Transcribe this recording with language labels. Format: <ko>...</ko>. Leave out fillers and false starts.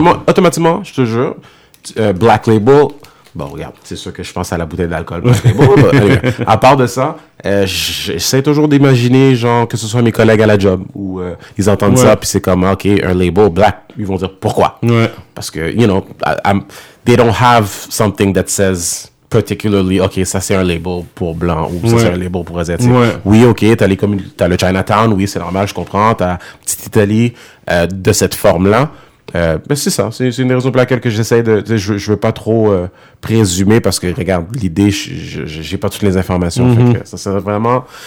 <fr>moi, automatiquement je te jure black label. Bon, regarde, c'est sûr que je pense à la bouteille d'alcool. Bon, à part de ça, j'essaie toujours d'imaginer, genre, que ce soit mes collègues à la job où ils entendent ça, puis c'est comme, OK, un label black, ils vont dire, pourquoi? Ouais. Parce que,</fr> <en>you know, they don't have something that says</en> <fr>particularly, OK, ça, c'est un label pour blanc ou ouais. ça, c'est un label pour asiatique. Ouais. Oui, OK, t'as les t'as le Chinatown, oui, c'est normal, je comprends. T'as Petite Italie de cette forme-là. Ben c'est ça, c'est une raison pour laquelle que j'essaie de... Je veux pas trop présumer parce que, regarde, l'idée, j'ai pas toutes les informations. Mm-hmm. Fait que ça serait vraiment...</fr>